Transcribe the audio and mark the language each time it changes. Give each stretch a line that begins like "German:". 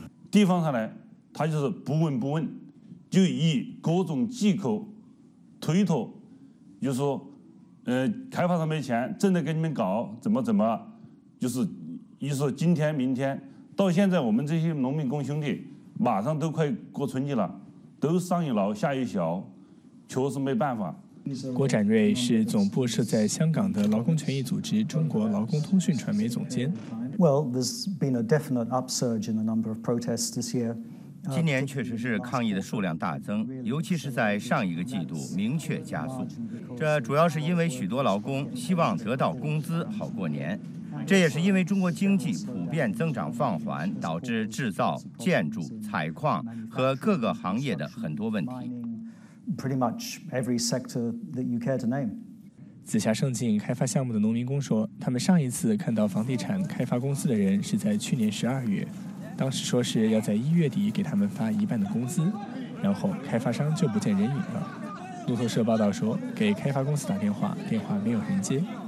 Chinese: 地方上来，他就是不闻不问，就以各种借口推脱，就是说，开发商没钱，正在给你们搞，怎么怎么，就是一说今天明天，到现在我们这些农民工兄弟，马上都快过春节了，都上有老下有小，确实没办法。郭展瑞是总部设在香港的劳工权益组织中国劳工通讯传媒总监。
English: Well, there's been a definite upsurge in the number of protests this year.
Chinese: 今年确实是抗议的数量大增，尤其是在上一个季度明确加速。这主要是因为许多劳工希望得到工资好过年，这也是因为中国经济普遍增长放缓，导致制造、建筑、采矿和各个行业的很多问题。
English: Pretty much every sector that you care to name.
Chinese: 紫霞盛境开发项目的农民工说，他们上一次看到房地产开发公司的人是在去年12月，当时说是要在1月底给他们发一半的工资，然后开发商就不见人影了。路透社报道说，给开发公司打电话，电话没有人接。